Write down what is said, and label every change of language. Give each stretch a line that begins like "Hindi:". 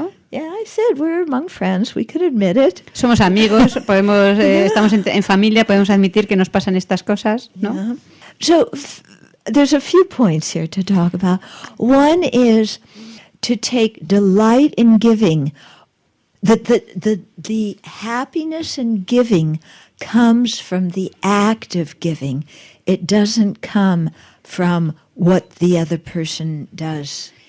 English: Yeah, I said we're among friends, we could admit it.
Spanish: Somos amigos, podemos estamos en familia, podemos admitir que nos pasan estas cosas, ¿no?
English: Yeah. So there's a few points here to talk about. One is to take delight in giving. The happiness in giving comes from the act of giving. It doesn't come from what the other person does.